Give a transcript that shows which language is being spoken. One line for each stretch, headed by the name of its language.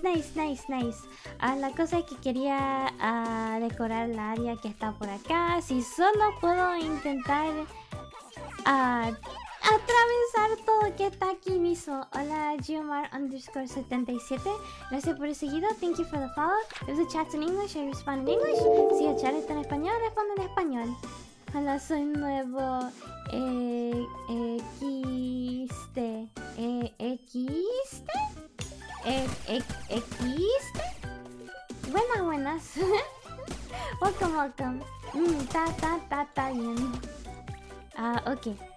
Spanish: La cosa es que quería decorar la área que está por acá. Si solo puedo intentar atravesar todo que está aquí mismo. Hola, Geomar_77. Gracias por el seguido.
English: Thank you for the follow. If the chat's in English, I respond in English.
Spanish: Si el chat está en español, respondo en español. Hola, soy nuevo. ¿Equiste? Buenas.
English: Welcome. Ta ta ta ta bien. Ok.